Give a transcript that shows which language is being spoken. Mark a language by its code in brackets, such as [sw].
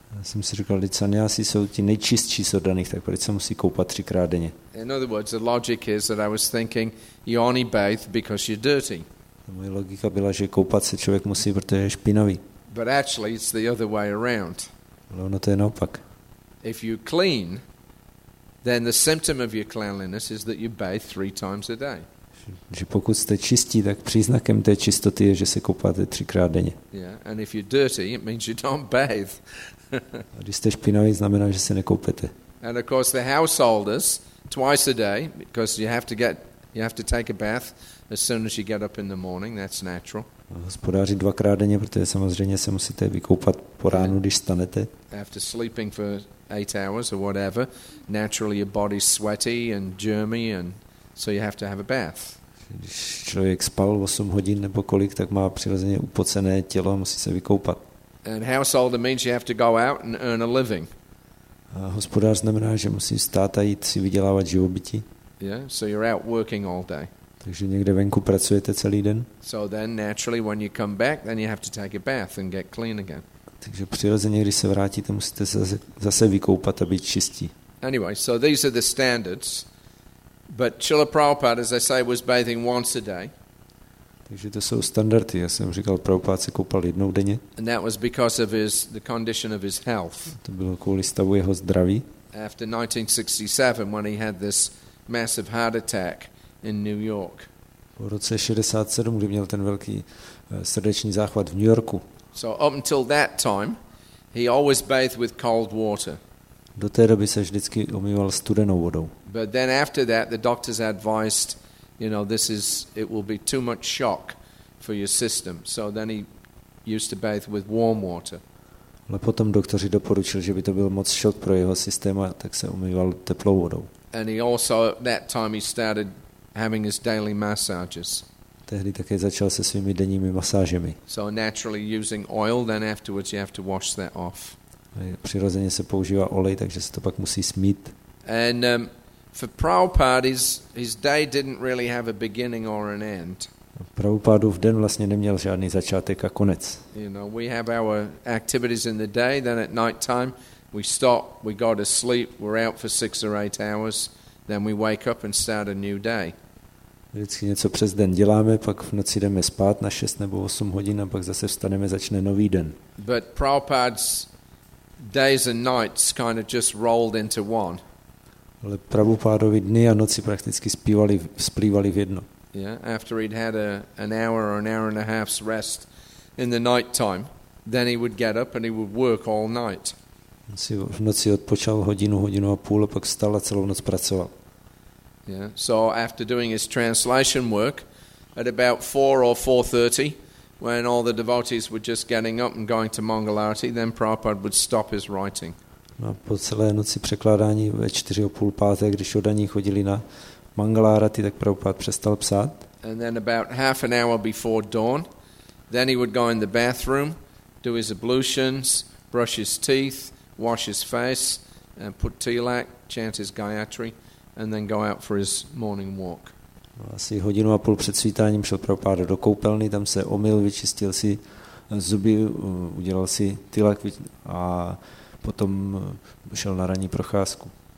[cs] Já jsem si říkal, že sannyasi jsou ti nejčistší z oddaných, tak proč se musí koupat 3x denně? [en] In other words, the logic is that I was thinking you only bathe because you're dirty. [cs] Moje logika byla, že koupat se člověk musí, protože je špinavý. [en] But actually it's the other way around. [cs] Ale ono to je naopak. [en] If you clean, then the symptom of your cleanliness is that you bathe 3 times a day. [cs] Že pokud jste čistí, tak příznakem té čistoty je, že se koupáte 3x denně. [en] Yeah, and if you're dirty, it means you don't bathe. [cs] A když jste špinavý, znamená, že se nekoupete. [en] And of course the householders twice a day, because you have to take a bath as soon as you get up in the morning, that's natural. [cs] Hospodáři 2x denně, protože samozřejmě se musíte vykoupat po ránu, když stanete. [en] After sleeping for 8 hours or whatever, naturally your body's sweaty and germy, and so you have to have a bath. [cs] Když člověk spal 8 hodin nebo kolik, tak má přirozeně upocené tělo, musí se vykoupat. [en] And householder means you have to go out and earn a living. [cs] A hospodář znamená, že musí stát a jít si vydělávat živobytí. [en] Yeah, so you're out working all day. [cs] Takže někde venku pracujete celý den. [en] So then naturally when you come back, then you have to take a bath and get clean again. [cs] Takže přirozeně, když se vrátíte, musíte zase vykoupat a být čistí. [en] Anyway, so these are the standards. But Srila Prabhupada, as I say, was bathing once a day. [cs] Takže to jsou standardy. Já jsem říkal, Prabhupada se koupal jednou denně. [en] And that was because of the condition of his health. [cs] To bylo kvůli stavu jeho zdraví. [en] After 1967, when he had this massive heart attack in New York. [cs] Po roce 67, kdy měl ten velký srdeční záchvat v New Yorku. [en] So up until that time, he always bathed with cold water. [cs] Do té doby se vždycky umýval studenou vodou. [en] But then after that, the doctors advised, you know, it will be too much shock for your system. So then he used to bathe with warm water. [cs] Ale potom doktoři doporučili, že by to byl moc šok pro jeho systém, tak se umýval teplou vodou. [en] And he also at that time he started having his daily massages. [cs] Tehdy také začal se svými denními masážemi. [en] So naturally using oil, then afterwards you have to wash that off. [cs] Přirozeně se používá olej, takže se to pak musí smýt. [en] And for Prabhupada, his day didn't really have a beginning or an end. [cs] Prabhupádův den vlastně neměl žádný začátek a konec. [en] You know, we have our activities in the day, then at night time we stop, we go to sleep, we're out for 6 or 8 hours, then we wake up and start a new day. [cs] Vždycky něco přes den děláme, pak v noci jdeme spát na 6 nebo 8 hodin a pak zase vstaneme, začne nový den. [en] But Prabhupada's days and nights kind of just rolled into one. [cs] Ale Prabhupádovi dny a noci prakticky splývali v jedno. [en] Yeah, after he'd had an hour or an hour and a half's rest in the night time, then he would get up and he would work all night. [cs] Si v noci odpočal hodinu, hodinu a půl a pak vstal a celou noc pracoval. [en] Yeah. So after doing his translation work at about 4 or 4:30, when all the devotees were just getting up and going to Mangalarti, then Prabhupada would stop his writing. [cs] No, po celé noci překládání ve 4:30, když oddaní chodili na Mangalarti, tak Prabhupada přestal psát. [en] And then about half an hour before dawn, then he would go in the bathroom, do his ablutions, brush his teeth, wash his face, and put tilak, chant his gayatri, and then go out for his morning walk. [cs] Asi hodinu a půl před svítáním šel Prabhupada do koupelny, tam se omyl, vyčistil si zuby, udělal si tilak a potom šel na ranní procházku.